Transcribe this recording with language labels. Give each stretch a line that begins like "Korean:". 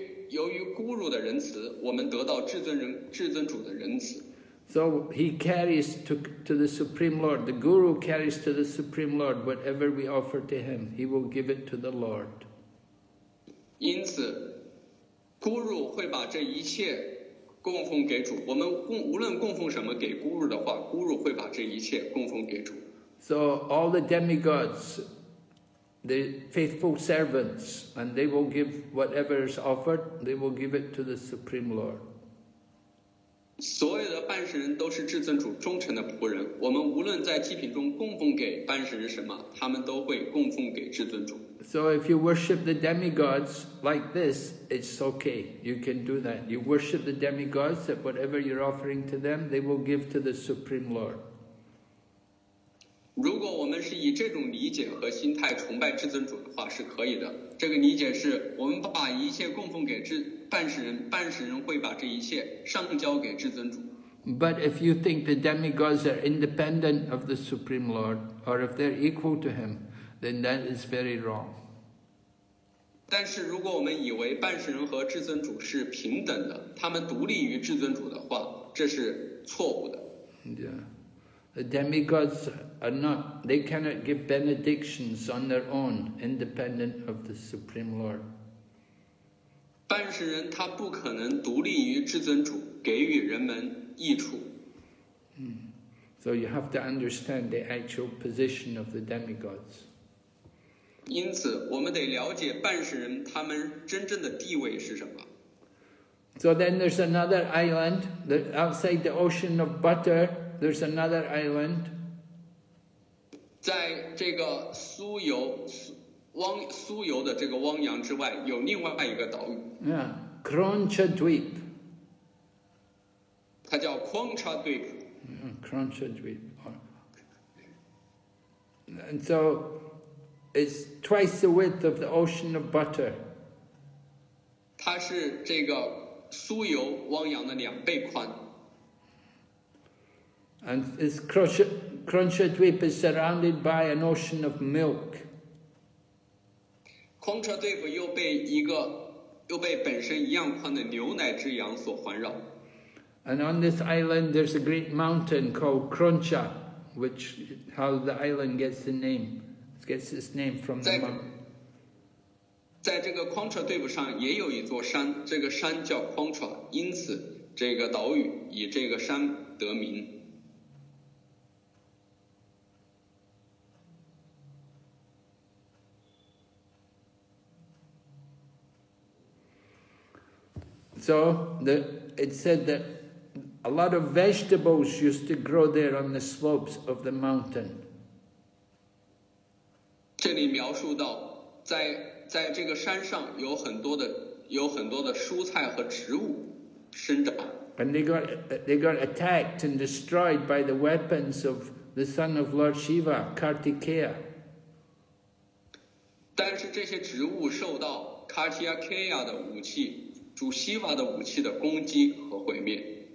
Chinese: 由于孤辱的仁慈，我们得到至尊主的仁慈。
English: So he carries to the Supreme Lord. The Guru carries to the Supreme Lord whatever we offer to him. He will give it to the Lord.
Chinese: 因此，孤辱会把这一切供奉给主。我们无论供奉什么给孤辱的话，孤辱会把这一切供奉给主。
English: So all the demigods. The faithful servants, and they will give whatever is offered, they will give it to the Supreme Lord.
Chinese: 所有的半神人都是至尊主忠诚的仆人，我们无论在祭品中供奉给半神人什么，他们都会供奉给至尊主。
English: So if you worship the demigods like this, it's okay. You can do that. You worship the demigods, that whatever you're offering to them, they will give to the Supreme Lord.
Chinese: 如果我们是以这种理解和心态崇拜至尊主的话，是可以的。这个理解是我们把一切供奉给半神人，半神人会把这一切上交给至尊主。
English: But if you think the demigods are independent of the Supreme Lord, or if they're equal to him,then that is very wrong.
Chinese: 但是如果我们以为半神人和至尊主是平等的，他们独立于至尊主的话，这是错误的。
English: Yeah. The demigods are not, they cannot give benedictions on their own, independent of the Supreme Lord.
Chinese: 半神人他不可能独立于至尊主给予人们益处。
English: So you have to understand the actual position of the demigods.
Chinese: 因此我们得了解半神人他们真正的地位是什么。
English: So then there's another island, outside the ocean of butter, there's another island.
Chinese: 在这个酥油的这个汪洋之外有另外一个岛屿。
English: Yeah, Kronchadweep.
Chinese: 它叫 Kronchadweep.
English: Kronchadweep. And so,It's twice the width of the ocean of butter.
Chinese: 它是这个酥油汪洋的两倍宽。
English: And this Kronchadweep is surrounded by an ocean of milk.
Chinese: Kronchadweep 又被本身一样宽的牛奶之洋所环绕。
English: And on this island, there's a great mountain called Kroncha, which is how the island gets the name. Gets its name from the mountain.
Chinese: 在这个匡彻对付上也有一座山，这个山叫匡彻，因此这个岛屿以这个山得名。
English: So, it said that a lot of vegetables used to grow there on the slopes of the mountain.
Chinese: 这里描述到在这个山上有很多的蔬菜和植物生长。
English: And they got attacked and destroyed by the weapons of the son of Lord Shiva, Kartikeya.
Chinese: 但是这些植物受到 Kartikeya 的武器，主西瓦的武器的攻击和毁灭。